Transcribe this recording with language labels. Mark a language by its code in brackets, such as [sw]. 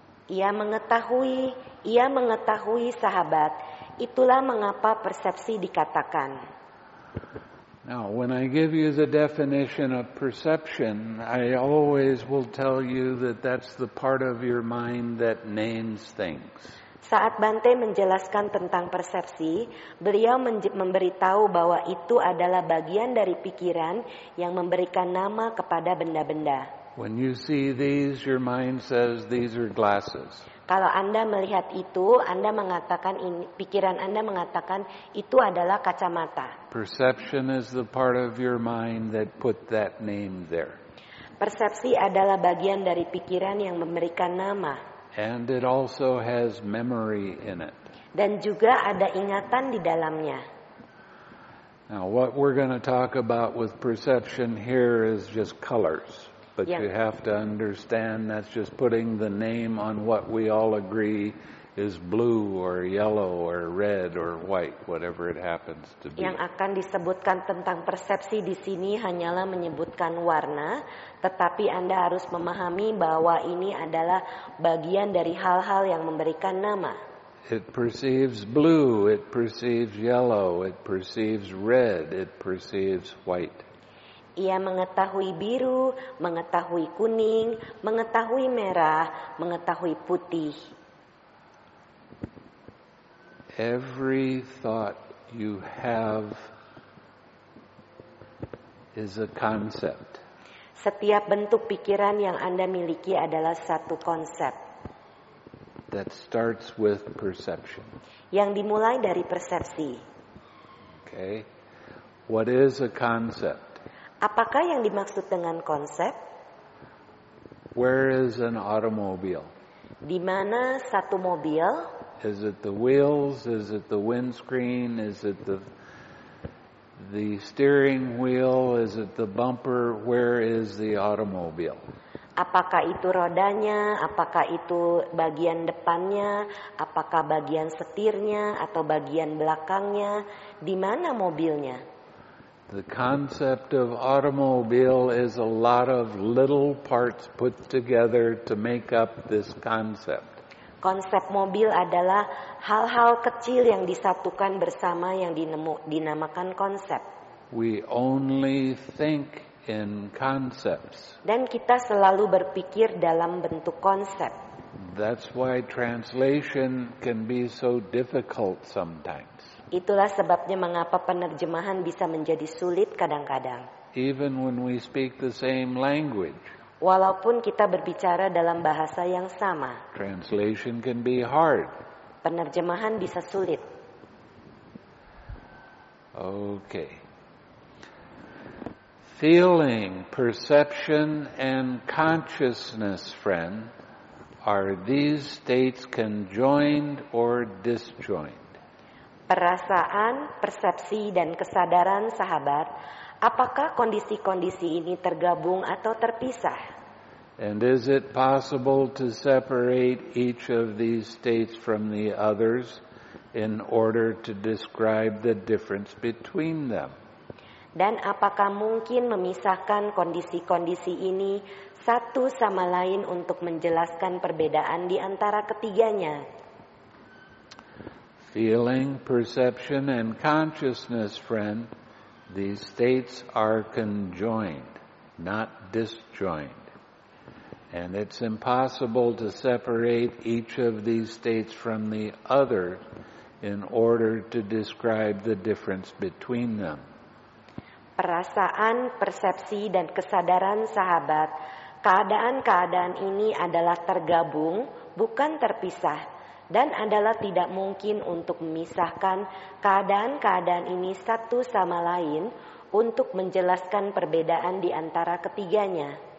[id] Ia mengetahui sahabat, itulah mengapa persepsi dikatakan. [en] Now, when I give you the definition of perception, I always will tell you that that's the part of your mind that names things. [id] Saat Bante menjelaskan tentang persepsi, beliau memberitahu bahwa itu adalah bagian dari pikiran yang memberikan nama kepada benda-benda. [en] When you see these, your mind says these are glasses. [id] Kalau Anda melihat itu, Anda mengatakan ini, pikiran Anda mengatakan itu adalah kacamata. [en] Perception is the part of your mind that put that name there. [id] Persepsi adalah bagian dari pikiran yang memberikan nama. [en] And it also has memory in it. [id] Dan juga ada ingatan di dalamnya. [en] Now what we're going to talk about with perception here is just colors. But yeah. You have to understand that's just putting the name on what we all agree is blue or yellow or red or white, whatever it happens to be. [id] Yang akan disebutkan tentang persepsi di sini hanyalah menyebutkan warna, tetapi Anda harus memahami bahwa ini adalah bagian dari hal-hal yang memberikan nama. [en] It perceives blue, it perceives yellow, it perceives red, it perceives white. [id] Ia mengetahui biru, mengetahui kuning, mengetahui merah, mengetahui putih. [en] Every thought you have is a concept. [id] Setiap bentuk pikiran yang Anda miliki adalah satu konsep. [en] That starts with perception. [id] Yang dimulai dari persepsi. [en] Okay. What is a concept? [id] Apakah yang dimaksud dengan konsep? [en] Where is an automobile? [id] Di mana satu mobil? [en] Is it the wheels? Is it the windscreen? Is it the steering wheel? Is it the bumper? Where is the automobile? [id] Apakah itu rodanya? Apakah itu bagian depannya? Apakah bagian setirnya atau bagian belakangnya? Di mana mobilnya? [en] The concept of automobile is a lot of little parts put together to make up this concept. [id] Konsep mobil adalah hal-hal kecil yang disatukan bersama yang dinamakan konsep. [en] We only think in concepts. [id] Dan kita selalu berpikir dalam bentuk konsep. [en] That's why translation can be so difficult sometimes. [id] Itulah sebabnya mengapa penerjemahan bisa menjadi sulit kadang-kadang. [en] Even when we speak the same language. [id] Walaupun kita berbicara dalam bahasa yang sama. [en] Translation can be hard. [id] Penerjemahan bisa sulit. [en] Okay. Feeling, perception, and consciousness, friend, are these states conjoined or disjoined? [id] Perasaan, persepsi, dan kesadaran sahabat, apakah kondisi-kondisi ini tergabung atau terpisah? [en] And is it possible to separate each of these states from the others in order to describe the difference between them? [id] Dan apakah mungkin memisahkan kondisi-kondisi ini satu sama lain untuk menjelaskan perbedaan di antara ketiganya? [en] Feeling, perception, and consciousness, friend, these states are conjoined, not disjoined. And it's impossible to separate each of these states from the other in order to describe the difference between them. [id] Perasaan, persepsi, dan kesadaran sahabat, keadaan-keadaan ini adalah tergabung, bukan terpisah, dan adalah tidak mungkin untuk memisahkan keadaan-keadaan ini satu sama lain untuk menjelaskan perbedaan di antara ketiganya.